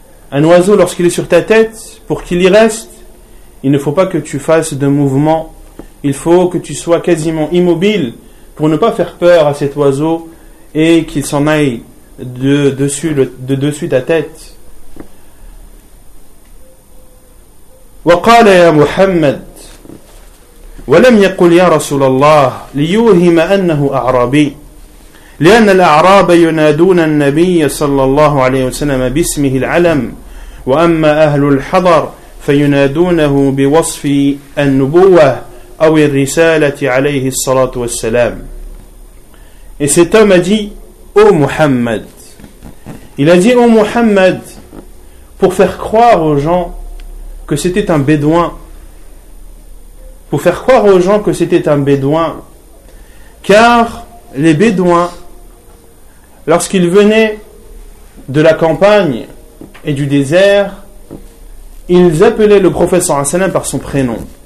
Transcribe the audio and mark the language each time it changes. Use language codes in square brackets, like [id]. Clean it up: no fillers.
[fr] Un oiseau, lorsqu'il est sur ta tête, pour qu'il y reste, il ne faut pas que tu fasses de mouvement. Il faut que tu sois quasiment immobile pour ne pas faire peur à cet oiseau et qu'il s'en aille de dessus ta tête. [ar] وقال يا محمد ولم يقل يا رسول الله ليوهم أنه أعرابي لأن الأعراب ينادون النبي صلى الله عليه وسلم باسمه العلم وأما أهل الحضر فينادونه بوصف النبوة أو الرسالة عليه الصلاة والسلام. [fr] Et cet homme a dit ô Muhammad. Il a dit ô Muhammad pour faire croire aux gens que c'était un bédouin, pour faire croire aux gens que c'était un bédouin, car les bédouins, lorsqu'ils venaient de la campagne et du désert, ils appelaient le prophète sallallahu alayhi wa sallam par son prénom.